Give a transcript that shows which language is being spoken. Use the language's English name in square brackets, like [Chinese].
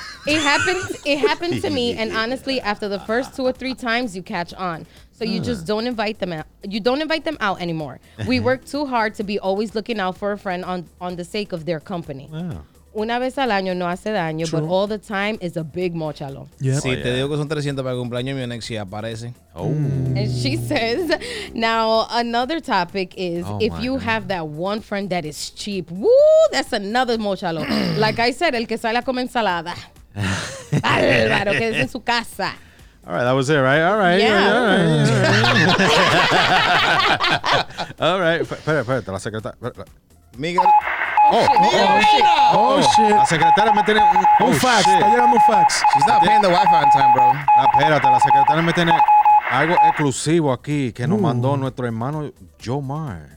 [English] It happened to me, and honestly, after the first 2 or 3 times, you catch on. So you just don't invite them out. You don't invite them out anymore. We work too hard to be always looking out for a friend on the sake of their company. Wow. [Spanish] una vez al año no hace daño, [English] true. But all the time is a big mochalo. [Spanish] Yep. Sí, oh, yeah. Te digo que son 300 para el cumpleaños de mi ex y aparece. [English] Oh. And she says, now another topic is have that one friend that is cheap, woo, that's another mochalo. Like I said, [Spanish] el que sale a comer ensalada. Álvaro, que es en su casa. [English] All right, that was it, right? All right. Yeah. Right, all right. All right. [Spanish] Espera, la secretaria. [English] Miguel. Oh shit. [Spanish] La secretaria me tiene un fax. Está llegando un fax. [English] She's not paying the Wi-Fi on time, bro. [Spanish] Espérate, la secretaria me tiene algo exclusivo aquí que nos mandó nuestro hermano Jomar.